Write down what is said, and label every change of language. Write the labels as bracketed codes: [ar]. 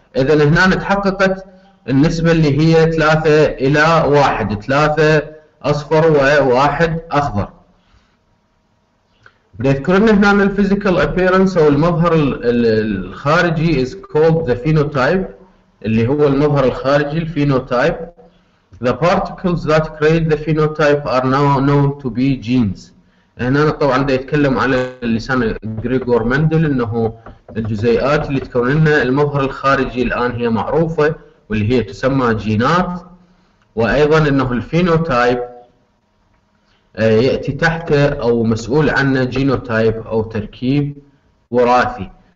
[ar] إذا هنا تحققت النسبة اللي هي ثلاثة إلى واحد، ثلاثة أصفر وواحد أخضر. بيذكر لنا هنا الفيزيكال ابيرنس او المظهر الخارجي [en] is called the phenotype، [ar] اللي هو المظهر الخارجي الفينوتايب. [en] The particles that create the phenotype are now known to be genes. [ar] هنا طبعا ده يتكلم على لسان غريغور مندل، انه الجزيئات اللي تكون لنا المظهر الخارجي الان هي معروفة واللي هي تسمى جينات، وايضا انه الفينوتايب يأتي تحت أو مسؤول عنه جينوتايب أو تركيب وراثي.